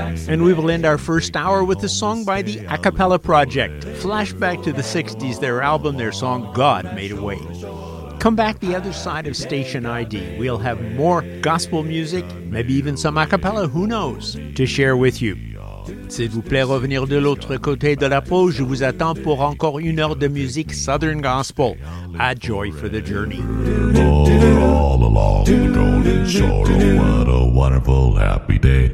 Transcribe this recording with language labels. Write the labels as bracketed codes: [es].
[en] And we will end our first hour with a song by the A Cappella Project. Flashback to the 60s, their album, their song, God Made a Way. Come back the other side of Station ID. We'll have more gospel music, maybe even some a cappella, who knows, to share with you. [fr] S'il vous plaît, revenir de l'autre côté de la peau. Je vous attends pour encore une heure de musique Southern Gospel. [en] A joy for the journey. All along the golden shore, oh, what a wonderful happy day.